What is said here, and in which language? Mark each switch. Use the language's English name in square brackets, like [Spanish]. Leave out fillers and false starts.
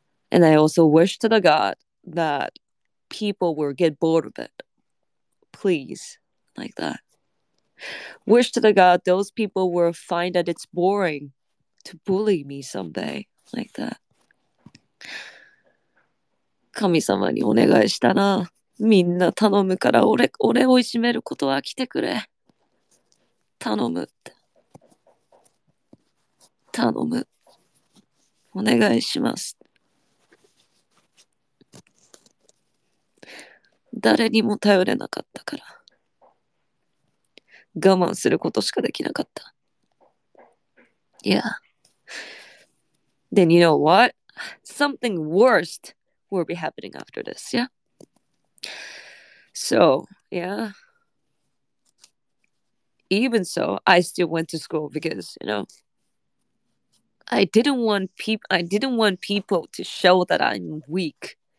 [English] And I also wish to the God that people will get bored of it. Please, like that. Wish to the God those people will find that it's boring to bully me someday, like that. [Japanese] 神様にお願いしたな。みんな頼むから俺をいじめることは来てくれ。頼むって。頼む。お願いします。誰にも頼れなかったから。我慢することしかできなかった。 [English] Yeah. Then you know what? Something worst will be happening after this, yeah? So, yeah. Even so, I still went to school because, you know, I didn't want people to show that I'm weak.